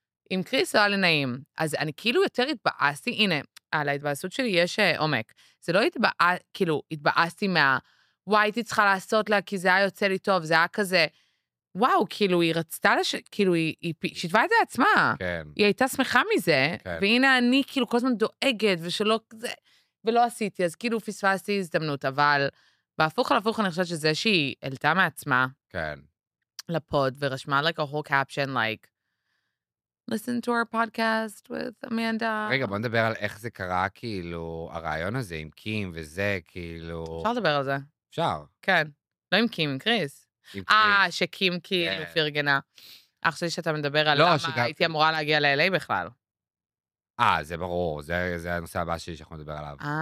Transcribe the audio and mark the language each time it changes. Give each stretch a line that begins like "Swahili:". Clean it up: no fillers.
Hebrew: עם קריס לא היה לי נעים, אז אני כאילו יותר התבאסתי, הנה, על ההתבאסות שלי יש עומק, זה לא התבאסתי, כאילו, התבאסתי מה, וואי, הייתי צריכה לעשות לה, כי זה היה יוצא לי טוב, זה היה כזה, וואו, כאילו היא רצתה, כאילו היא שיתבה את זה עצמה. כן. היא הייתה שמחה מזה, כן. והנה אני כאילו כל הזמן דואגת, ושלא כזה, ולא עשיתי, אז כאילו פספסתי הזדמנות, אבל בהפוך על הפוך אני חושבת שזה שהיא עלתה מעצמה. כן. לפוד, ורשמה
English: like a whole caption, like, listen to our podcast with Amanda.
Hebrew: רגע, בוא נדבר על איך זה קרה, כאילו, הרעיון הזה עם קים וזה, כאילו... אפשר לדבר על זה. אפשר. כן. לא עם קים, עם קריס. שקים כאילו פרגנה. אך שלי שאתה מדבר על למה הייתי אמורה להגיע ל-LA בכלל. זה ברור, זה הנושא הבא שלי שאנחנו מדבר עליו.